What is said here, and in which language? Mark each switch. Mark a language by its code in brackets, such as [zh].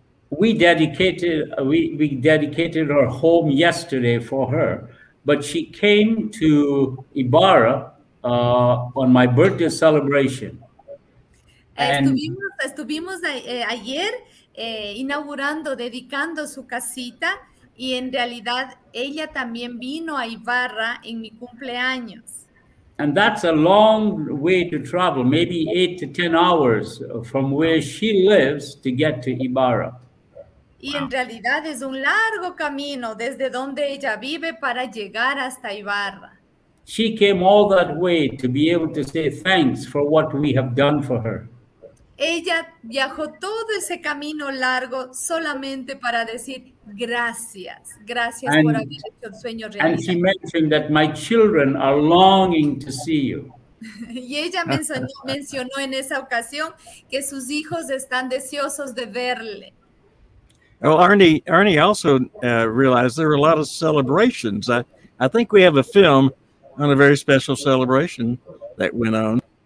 [en] We dedicated her home yesterday for her, but she came to Ibarra on my birthday celebration. [es] Estuvimos ayer inaugurando, dedicando su casita, y en realidad ella también vino a Ibarra en mi cumpleaños. [en] And that's a long way to travel, maybe 8 to 10 hours from where she lives to get to Ibarra. [es] Y wow. en realidad es un largo camino desde donde ella vive para llegar hasta Ibarra. [en] She came all that way to be able to say thanks for what we have done for her. [es] Ella viajó todo ese camino largo solamente para decir gracias, gracias [en] and, [es] por haber hecho el sueño realidad. [en] And she mentioned that my children are longing to see you. [es] Y ella mencionó en esa ocasión que sus hijos están deseosos de verle. [en] Well, Arnie also realized there were a lot of celebrations. I think we have a film on a very special celebration that went on.